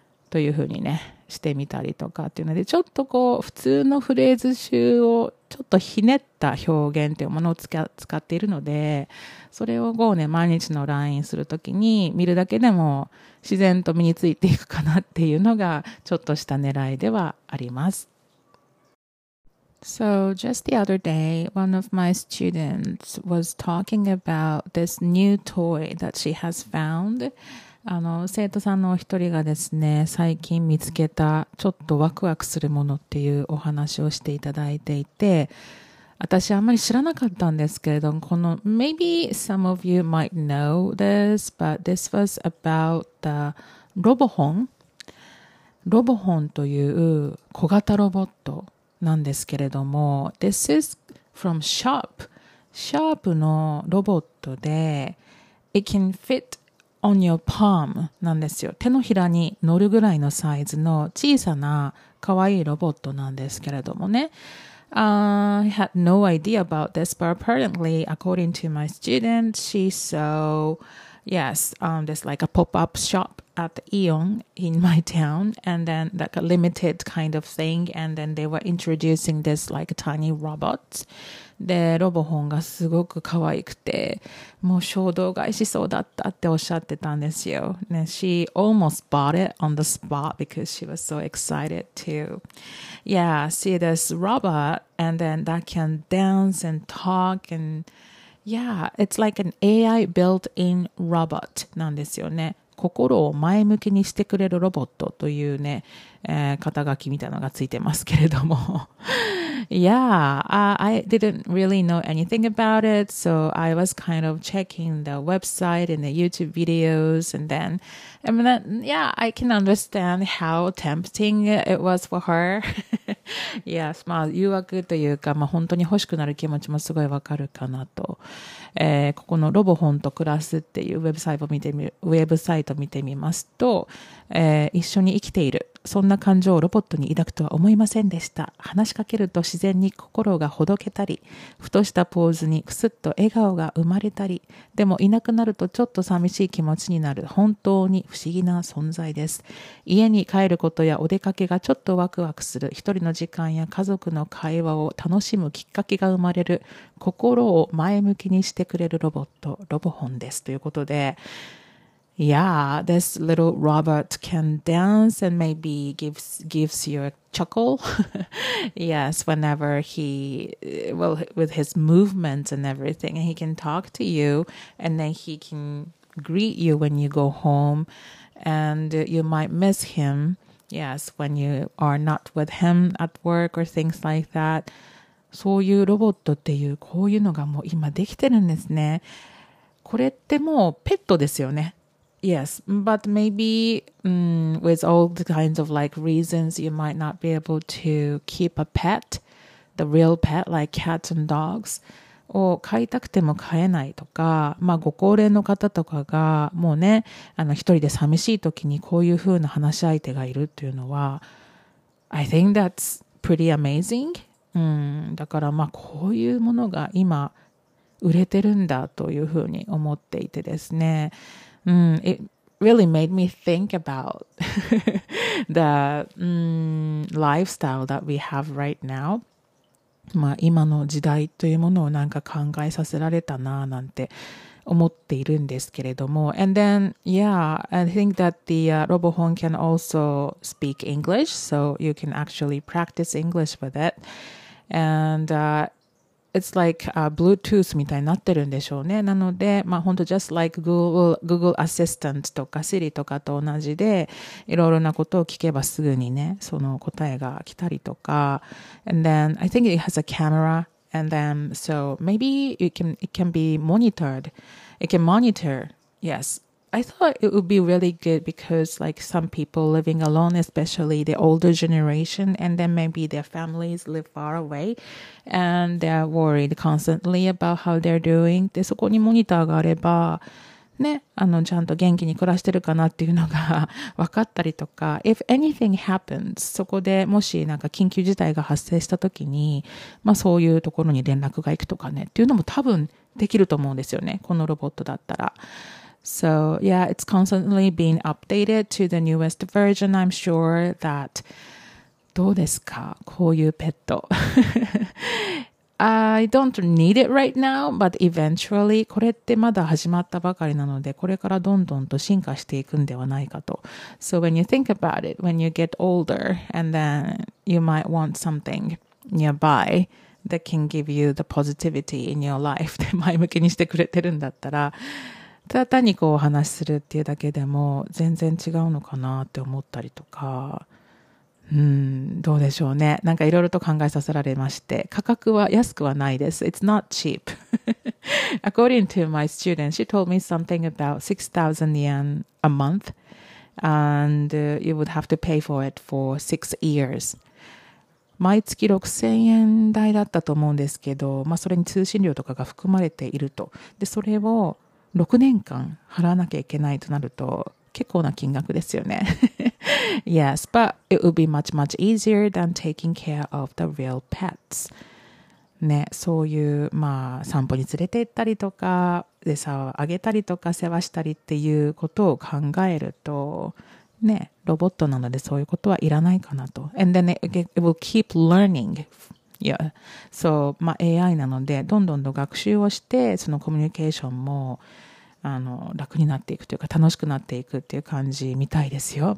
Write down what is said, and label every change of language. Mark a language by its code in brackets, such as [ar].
[ja] というふうにね、してみたりとかっていうので、ちょっとこう、普通のフレーズ集をちょっとひねった表現っていうものを使っているので、それを Go ね、毎日の LINE するときに見るだけでも自然と身についていくかなっていうのが、ちょっとした狙いではあります。 [en] So just the other day, one of my students was talking about this new toy that she has found. [ja] 生徒さんのお一人がですね、最近見つけたちょっとワクワクするものっていうお話をしていただいていて、私あんまり知らなかったんですけれども、この [en] maybe some of you might know this, but this was about the [ja] Robohon. Robohon という小型ロボットなんですけれども、 [en] This is from Sharp. [ja] Sharp のロボットで [en] It can fit on your palm [ja] なんですよ。手のひらに乗るぐらいのサイズの小さな可愛いロボットなんですけれどもね、 [en] I had no idea about this, but apparently according to my student, she saw there's like a pop-up shop at the Aeon in my town, and then like a limited kind of thing, and then they were introducing this like tiny robot. [ja] で、ロボホンがすごく可愛くて、もう衝動買いしそうだったっておっしゃってたんですよ。ね、 [en] she almost bought it on the spot because she was so excited to, yeah, see this robot, and then that can dance and talk andYeah, it's like an AI built-in robot [ja] なんですよね。心を前向きにしてくれるロボットというね、肩書きみたいなのがついてますけれども。 [en] yeah, I didn't really know anything about it, so I was kind of checking the website and the YouTube videos, and then, yeah, I can understand how tempting it was for her. [ja] yes, まあ、誘惑というか、まあ、本当に欲しくなる気持ちもすごいわかるかなと。ここのロボホンと暮らすっていうウェブサイト見てみますと、一緒に生きている。そんな感情をロボットに抱くとは思いませんでした。話しかけると自然に心がほどけたり、ふとしたポーズにくすっと笑顔が生まれたり、でもいなくなるとちょっと寂しい気持ちになる、本当に不思議な存在です。家に帰ることやお出かけがちょっとワクワクする、一人の時間や家族の会話を楽しむきっかけが生まれる、心を前向きにしてくれるロボット、ロボホンです。ということで、 [en] Yeah, this little robot can dance and maybe gives you a chuckle. yes, whenever he, well, with his movements and everything, and he can talk to you and then he can greet you when you go home and you might miss him. Yes, when you are not with him at work or things like that. [ja] そういうロボットっていう、こういうのがもう今できてるんですね。これってもうペットですよね。 [en] Yes, but maybe, with all the kinds of like reasons, you might not be able to keep a pet, the real pet, like cats and dogs. [ja] を飼いたくても飼えないとか、まあご高齢の方とかが、もうね、一人で寂しい時にこういう風な話し相手がいるっていうのは、 [en] I think that's pretty amazing. [ja] だからまあこういうものが今売れてるんだという風に思っていてですね。 [en] It really made me think about the lifestyle that we have right now. [ja] まあ今の時代というものをなんか考えさせられたなぁなんて思っているんですけれども。 [en] And then, yeah, I think that the Robohon can also speak English, so you can actually practice English with it. And, It's like a Bluetooth [ja] みたいになってるんでしょうね。なので、まあ本当 [en] just like Google Assistant [ja] とか Siri とかと同じで、いろいろなことを聞けばすぐにね、その答えが来たりとか。 [en] And then I think it has a camera. And then so maybe it can be monitored. it can monitor. Yes. I thought it would be really good because like some people living alone, especially the older generation, and then maybe their families live far away and they're worried constantly about how they're doing. [ja] で、そこにモニターがあれば、ね、あの、ちゃんと元気に暮らしてるかなっていうのが分かったりとか、 [en] if anything happens, [ja] そこでもしなんか緊急事態が発生した時に、まあそういうところに連絡が行くとかね、っていうのも多分できると思うんですよね、このロボットだったら。 [en] So, yeah, it's constantly being updated to the newest version. I'm sure that, [ja] どうですか? こういうペット。 [en] I don't need it right now, but eventually, [ja] これってまだ始まったばかりなので、これからどんどんと進化していくんではないかと。 [en] So when you think about it, when you get older, and then you might want something nearby that can give you the positivity in your life, [ja] 前向きにしてくれてるんだったら、ただ単にこうお話しするっていうだけでも全然違うのかなって思ったりとか、どうでしょうね。なんかいろいろと考えさせられまして、価格は安くはないです。 [en] It's not cheap. According to my student, she told me something about 6,000 yen a month and you would have to pay for it for 6 years. [ja] 毎月6000円台だったと思うんですけど、まあそれに通信料とかが含まれていると。で、それを6年間払わなきゃいけないとなると結構な金額ですよね。 [en] Yes, but it would be much, much easier than taking care of the real pets. [ja] ね、そういう、まあ、散歩に連れて行ったりとか、餌をあげたりとか、世話したりっていうことを考えると、ね、ロボットなのでそういうことはいらないかなと。 [en] And then it will keep learning. Yeah. [ja] So, まあ、AI なのでどんどんと学習をしてそのコミュニケーションもあの楽になっていくというか楽しくなっていくという感じみたいですよ。